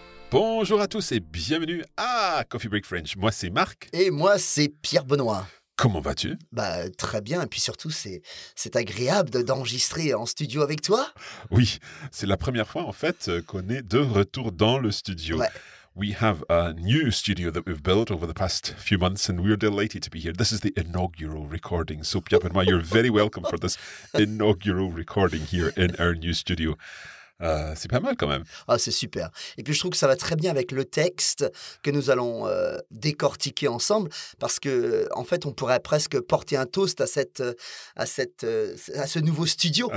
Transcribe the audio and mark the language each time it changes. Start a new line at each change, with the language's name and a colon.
French: Bonjour à tous et bienvenue à Coffee Break French. Moi, c'est Marc. Et moi, c'est Pierre Benoît. Comment vas-tu? Bah, très bien. Et puis surtout, c'est agréable d'enregistrer en studio avec toi. Oui, c'est la première fois en fait qu'on est de retour dans le studio. Ouais.
English: We have a new studio that we've built over the past few months, and we're delighted to be here. This is the inaugural recording. So Pierre Benoît, you're very welcome for this inaugural recording here in our new studio.
French: C'est pas mal quand même. Ah, c'est super. Et puis je trouve que ça va très bien avec le texte que nous allons décortiquer ensemble, parce que en fait on pourrait presque porter un toast à ce nouveau studio.